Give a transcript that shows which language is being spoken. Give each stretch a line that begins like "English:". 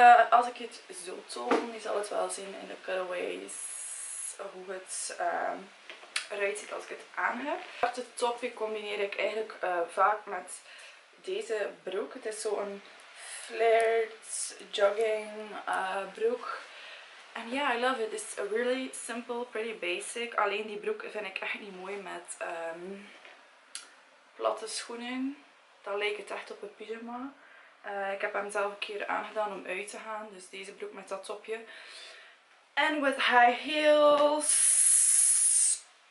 Dutch: Als ik het zo toon, je zal het wel zien in de colorways hoe het eruit ziet als ik het aan heb. De topje combineer ik eigenlijk vaak met deze broek. Het is zo'n flared jogging broek. En ja,
English: I love it. It's really simple, pretty basic.
Dutch: Alleen die broek vind ik echt niet mooi met platte schoenen. Dan leek het echt op een pyjama. Ik heb hem zelf een keer aangedaan om uit te gaan. Dus deze broek met dat topje. En
English: with high heels.